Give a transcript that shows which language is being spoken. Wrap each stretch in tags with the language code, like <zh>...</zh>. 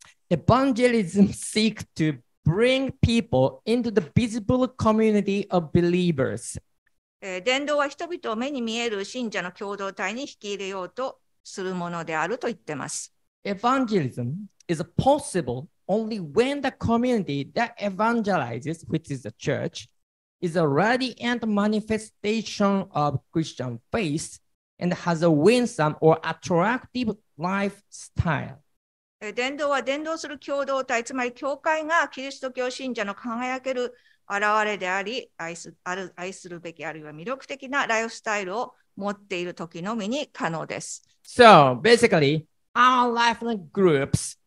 <en>Evangelism seeks to bring people into the visible community of believers。</en> <ja>伝道は人々を目に見える信者の共同体に引き入れようとするものであると言ってます。</ja> <en>Evangelism is possible. Only when the community that evangelizes, which is the church, is a radiant manifestation of Christian faith and has a winsome or attractive lifestyle.</en> <ja>伝道は伝道する共同体、つまり教会がキリスト教信者の輝ける現れであり、愛するべき、あるいは魅力的なライフスタイルを持っている時のみに可能です。</ja> <en>So basically, our life groups</en>